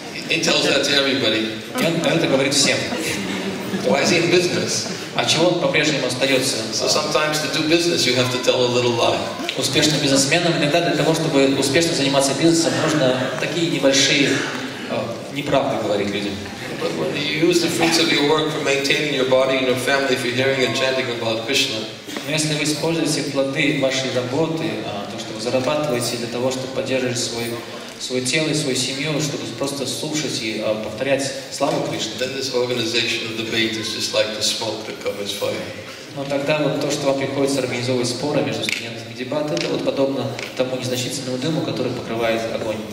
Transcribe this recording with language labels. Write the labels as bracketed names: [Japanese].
[English] He tells that to everybody. [Russian] И он это говорит всем. [English] Why is he in business? [Russian] А чего он по-прежнему остается? [English] So sometimes to do business you have to tell a little lie. [Russian] Успешным бизнесменам иногда для того, чтобы успешно заниматься бизнесом, нужно такие небольшие неправды говорить людям. [English] But when you use the fruits of your work for maintaining your body and your family, if you're hearing and chanting about Krishna. [Russian] Но если вы используете плоды вашей работы, то, что вы зарабатываете для того, чтобы поддерживать свое тело и свою семью, чтобы просто слушать и повторять славу Кришны. [English] Like [Russian] но тогда вот то, что вам приходится организовывать споры между студентами дебаты, это вот подобно тому незначительному дыму, который покрывает огонь.